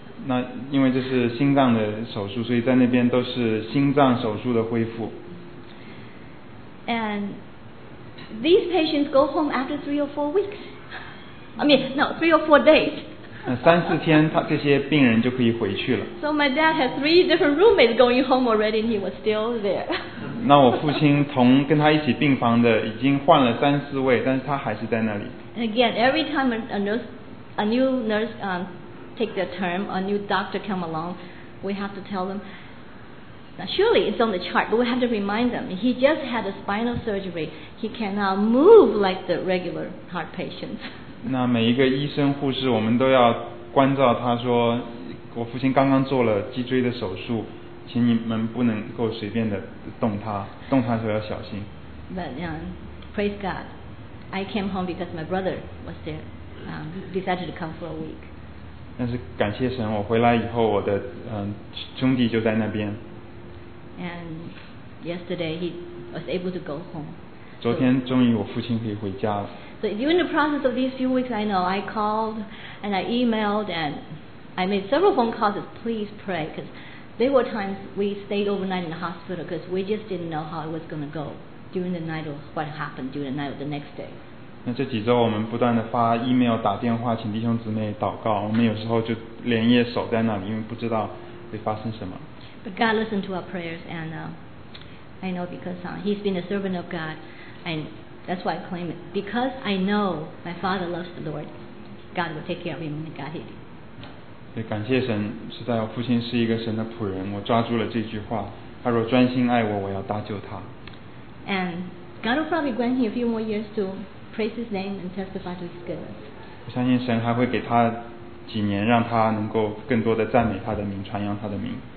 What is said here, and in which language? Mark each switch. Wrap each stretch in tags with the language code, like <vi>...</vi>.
<zh>那因为这是心脏的手术，所以在那边都是心脏手术的恢复。</zh> <en>And these patients go home after 3 or 4 weeks. 3 or 4 days.</en> <zh>三四天他这些病人就可以回去了。</zh> <en>So my dad had three different roommates going home already and he was still there.</en> <zh>那我父亲同跟他一起病房的已经换了三四位，但是他还是在那里。</zh> <en>And again, every time a new nurse take their term, a new doctor come along, we have to tell them, now surely it's on the chart, but we have to remind them, he just had a spinal surgery, he cannot move like the regular heart patients.</en> <zh>那每一个医生护士我们都要关照他说，我父亲刚刚做了脊椎的手术，请你们不能够随便的动他，动他的时候要小心。</zh> <en>But praise God, I came home because my brother was there, decided to come for a week.</en> <zh>但是感谢神，我回来以后我的兄弟就在那边。</zh> <en>And yesterday he was able to go home.</en> <zh>昨天终于我父亲可以回家了。</zh> <en>So during the process of these few weeks, I know I called and I emailed and I made several phone calls to please pray, because there were times we stayed overnight in the hospital because we just didn't know how it was going to go during the night or what happened during the night or the next day.</en> <zh>那这几周我们不断地发 email 打电话请弟兄姊妹祷告，我们有时候就连夜守在那里，因为不知道会发生什么。</zh> <en>But God listened to our prayers and I know because he's been a servant of God andThat's why I claim it. Because I know my father loves the Lord, God will take care of him and God hid him.</en> <zh>对，感谢神，实在我父亲是一个神的仆人，我抓住了这句话，他若专心爱我，我要搭救他。</zh> <en>And God will probably grant him a few more years to praise his name and testify to his goodness.</en> <zh>我相信神还会给他几年，让他能够更多的赞美他的名，传扬他的名。</zh>